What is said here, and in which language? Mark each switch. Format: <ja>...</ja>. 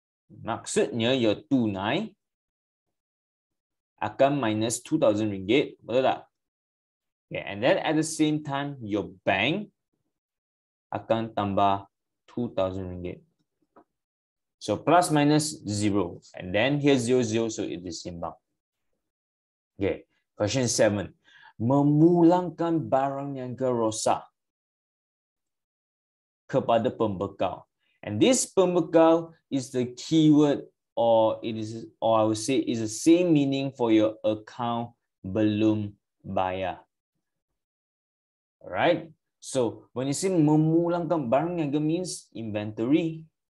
<ms>Maksudnya, your tunai akan minus 2,000 ringgit. Betul tak?</ms> <en>Okay, and then at the same time, your bank</en> <ms>akan tambah 2,000 ringgit.</ms> <en>So plus minus zero. And then here's zero, zero, so it is inbound. Okay, question 7.</en> <ms>Memulangkan barang yang kerosak kepada pembekal.</ms> <en>And this pembekal is the keyword, or it is, or I would say is the same meaning for your account belum bayar. Right? So when you say</en> <ms>memulangkan barang yang</ms> <en>means inventory.</en>